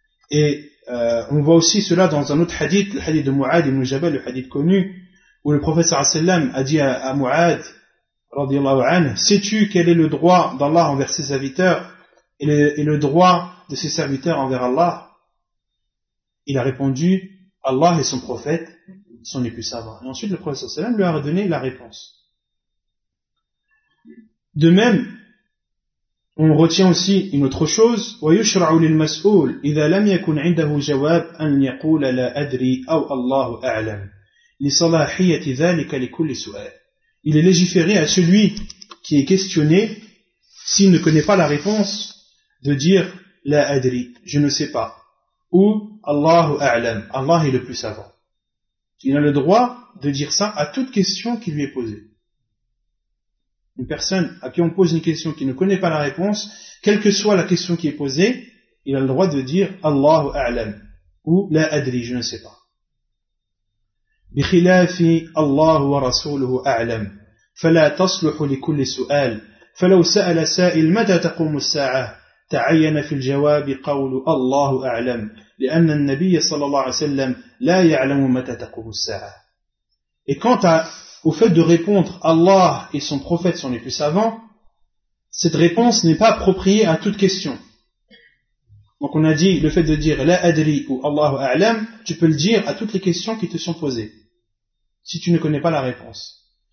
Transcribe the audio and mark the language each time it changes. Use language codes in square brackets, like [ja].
[fr] Et on voit aussi cela dans un autre hadith, le hadith de Mu'ad ibn Jabal, le hadith connu, où le prophète sallallahu alayhi wa sallam a dit à Mu'ad, radiallahu anhu, sais-tu quel est le droit d'Allah envers ses serviteurs et le droit de ses serviteurs envers Allah? Il a répondu, Allah et son prophète sont les plus savants. Et ensuite le prophète sallallahu alayhi wa sallam lui a redonné la réponse. De même, on retient aussi une autre chose, [ar] وَيُشْرَعُ لِلْمَسْئُولِ إِذَا لَمْ يَكُنْ عِنْدَهُ جَوَابٌ أَنْ يَقُولَ لَا أَدْرِي أَوْ أَلَّهُ أَعْلَمُ لِصَلَاحِيَةِ ذَلِكَ لِكُلِّ سُؤَالٍ. [fr] Il est légiféré à celui qui est questionné, s'il ne connaît pas la réponse, de dire la adri, je ne sais pas, ou Allahu a'lam, Allah est le plus savant. Il a le droit de dire ça à toute question qui lui est posée. Une personne à qui on pose une question qui ne connaît pas la réponse, quelle que soit la question qui est posée, il a le droit de dire Allahu a'lam ou la adri, je ne sais pas. [ar] Bi khilafi Allahu wa rasuluhu a'lam, fala tasluhu li kulli su'al. فلو سأل سائل متى تقوم الساعة تعين في الجواب قول الله أعلم، لأن النبي صلى الله عليه وسلم لا يعلم متى تقوم الساعة. [fr] Et quant à, au fait de répondre Allah et son prophète sont les plus savants, cette réponse n'est pas appropriée à toute question. Donc on a dit, le fait de dire La adri ou Allahu a'lam, tu peux le dire à toutes les questions qui te sont posées, si tu ne connais pas la réponse.